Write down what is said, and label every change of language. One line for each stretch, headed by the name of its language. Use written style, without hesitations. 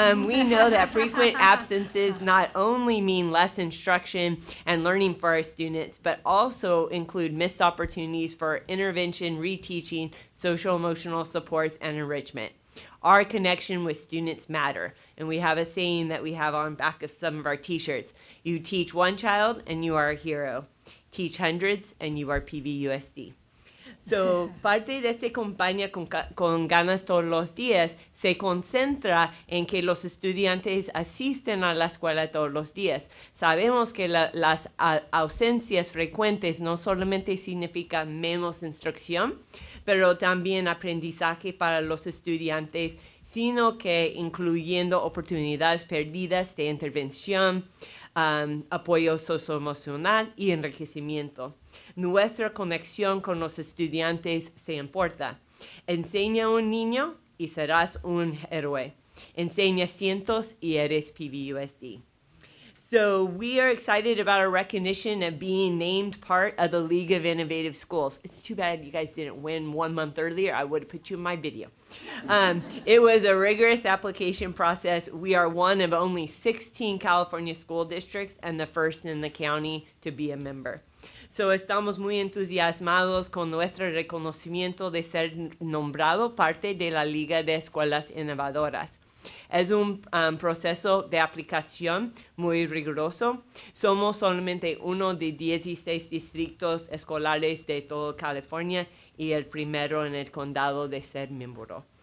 English: We know that frequent absences not only mean less instruction and learning for our students, but also include missed opportunities for intervention, reteaching, social emotional supports, and enrichment. Our connection with students matter. And we have a saying that we have on back of some of our t-shirts. You teach one child and you are a hero. Teach hundreds and you are PVUSD.
Spanish: So parte de ese compañía con ganas todos los días se concentra en que los estudiantes asisten a la escuela todos los días. Sabemos que las ausencias frecuentes no solamente significan menos instrucción, pero también aprendizaje para los estudiantes, sino que incluyendo oportunidades perdidas de intervención, apoyo socioemocional y enriquecimiento. Nuestra conexión con los estudiantes se importa. Enseña a un niño y serás un héroe. Enseña cientos y eres PVUSD.
English: So we are excited about our recognition of being named part of the League of Innovative Schools. It's too bad you guys didn't win 1 month earlier. I would have put you in my video. It was a rigorous application process. We are one of only 16 California school districts and the first in the county to be a member.
Spanish: So estamos muy entusiasmados con nuestro reconocimiento de ser nombrado parte de la Liga de Escuelas Innovadoras. Es un proceso de aplicación muy riguroso. Somos solamente uno de 16 distritos escolares de todo California y el primero en el condado de ser miembro.